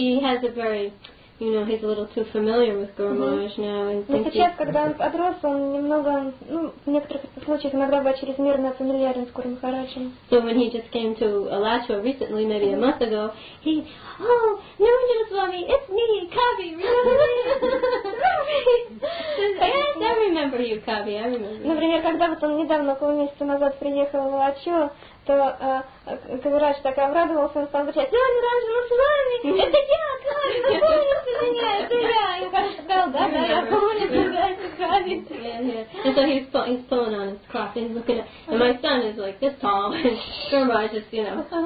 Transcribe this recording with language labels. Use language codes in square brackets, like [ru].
[en] You know, he's a little too familiar with Guru Maharaj now. [ru] Но сейчас, когда он подрос, он немного, ну, в некоторых случаях иногда был чрезмерно фамильярен с Гуру Махараджем. [en] So when he just came to Alachua recently, maybe a month ago, he, Swami, it's me, Kavi, really? Yes, I remember you, Kavi, I remember. [ru] Например, когда вот он недавно, около месяца назад, приехал в Алачуа, то Кавирадж так обрадовался, он стал кричать, «Ну, Ниранджан, мы с вами! Это я, Кави! Вы помните меня? Это я!» И он сказал, «Да-да, я помню тебя, это Кави!» [en] And so he's pulling on his cross, and he's looking at, and my son is like this tall, and Kavirad just, you know.